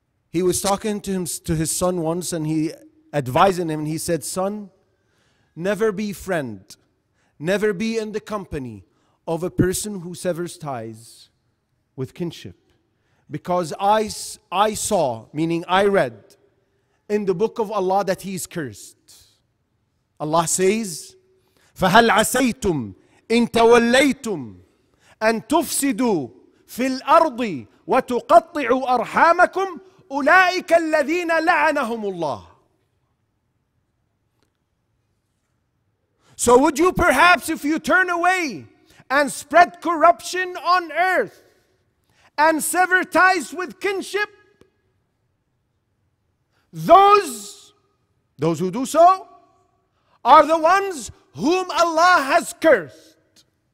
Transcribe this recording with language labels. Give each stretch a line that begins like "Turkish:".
English: He was talking to him, to his son once, and he advising him, and he said, son, never be friend, never be in the company of a person who severs ties with kinship. Because I saw, meaning I read, in the book of Allah that he is cursed. Allah says,
Arabic: فَهَلْ عَسَيْتُمْ إِن تَوَلَّيْتُمْ أَن تُفْسِدُوا فِي الْأَرْضِ وَتُقَطِّعُوا أَرْحَامَكُمْ أُولَٰئِكَ الَّذِينَ لَعَنَهُمُ اللَّهِ.
English: So would you perhaps, if you turn away and spread corruption on earth and sever ties with kinship, those who do so are the ones whom Allah has cursed.